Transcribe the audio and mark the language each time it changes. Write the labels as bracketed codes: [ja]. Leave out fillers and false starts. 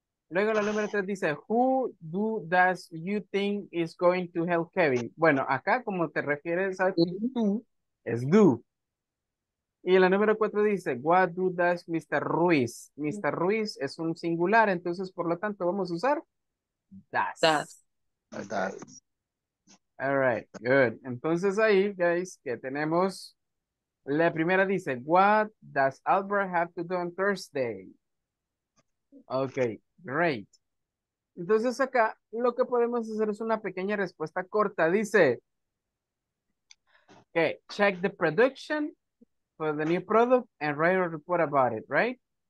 [es] Luego la número 3 dice, [en] who do does you think is going to help Kevin? [es] Bueno, acá como te refieres a tú, es do. Y la número 4 dice, [en] what do does Mr. Ruiz? [es] Mr. Ruiz es un singular, entonces por lo tanto vamos a usar does. [en] Does. Okay. All right, good. [es] Entonces ahí, guys, que tenemos. La primera dice, [en] what does Albert have to do on Thursday? Okay. Great. [es] Entonces acá lo que podemos hacer es una pequeña respuesta corta. Dice que [en] okay, check the production for the new product and write a report about it, right?